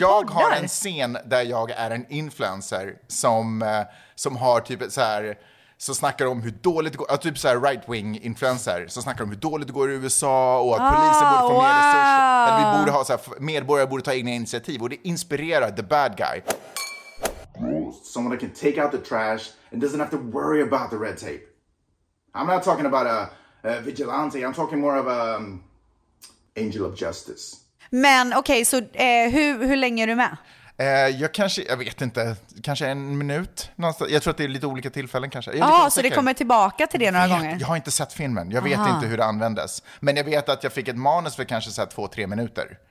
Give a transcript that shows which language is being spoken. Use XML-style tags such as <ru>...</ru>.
<sv>poddar. Jag har en scen där jag är en influencer som har typ så här, så snackar om hur dåligt det går, typ så här</sv> <en>right wing</en> <sv>influencer som snackar om hur dåligt det går i USA och att polisen borde få mer resurser, att vi borde ha så här, medborgare borde ta egna initiativ och det inspirerar</sv> <en>the bad guy. Someone that can take out the trash and doesn't have to worry about the red tape. I'm not talking about a vigilante, I'm talking more of a angel of justice.</en> <sv>Men okej, okay, så hur länge är du med? Jag vet inte, kanske en minut någonstans. Jag tror att det är lite olika tillfällen kanske. Ja, så det kommer tillbaka till det några gånger? Jag har inte sett filmen, jag vet inte hur det användes. Men jag vet att jag fick ett manus för kanske så här 2-3 minuter.</sv>